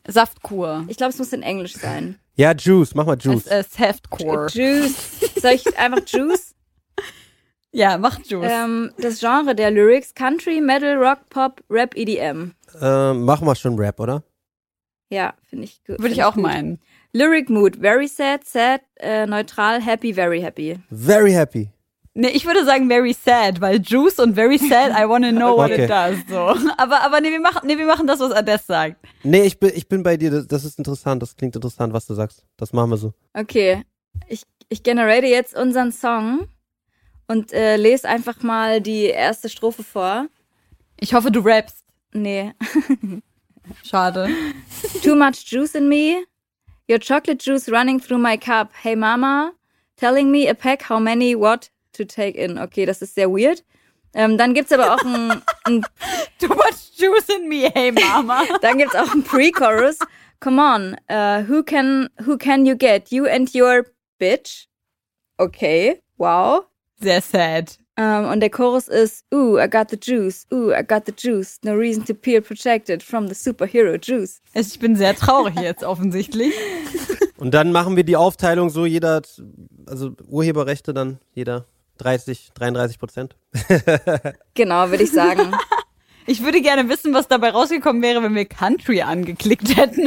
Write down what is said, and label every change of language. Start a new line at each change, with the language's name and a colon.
German: Saftkur. Ich glaube, es muss in Englisch sein. Ja, Juice. Mach mal Juice. Saftkur. Juice. Soll ich einfach Juice? Ja, mach Juice. Das Genre der Lyrics, Country, Metal, Rock, Pop, Rap, EDM. Machen wir schon Rap, oder? Ja, finde ich gut. Würde ich auch meinen.
English: Lyric Mood, very sad, sad, neutral, happy, very happy. Very happy.
German: Nee, ich würde sagen very sad, weil Juice und very sad,
English: I wanna know what okay. It does. So.
German: Aber wir machen das, was Ades sagt. Nee, ich bin bei dir, das ist interessant, das klingt interessant, was du sagst. Das machen wir so. Okay, ich generate jetzt unseren Song und lese einfach mal die erste Strophe vor. Ich hoffe, du rappst. Nee. Schade.
English: Too much juice in me. Your chocolate juice running through my cup. Hey Mama, telling me a pack, how many, what to take in.
German: Okay, das ist sehr weird. Dann gibt's aber auch ein
English: Too much juice in me, hey Mama.
German: Dann gibt's auch ein Pre-Chorus.
English: Come on, who can you get? You and your bitch.
German: Okay, wow. Sehr sad. Und der Chorus ist,
English: ooh, I got the juice, ooh, I got the juice. No reason to peer protected from the superhero juice.
German: Ich bin sehr traurig jetzt offensichtlich. Und dann machen wir die Aufteilung so, jeder, also Urheberrechte dann jeder 33%. Genau, würde ich sagen. Ich würde gerne wissen, was dabei rausgekommen wäre, wenn wir Country angeklickt hätten.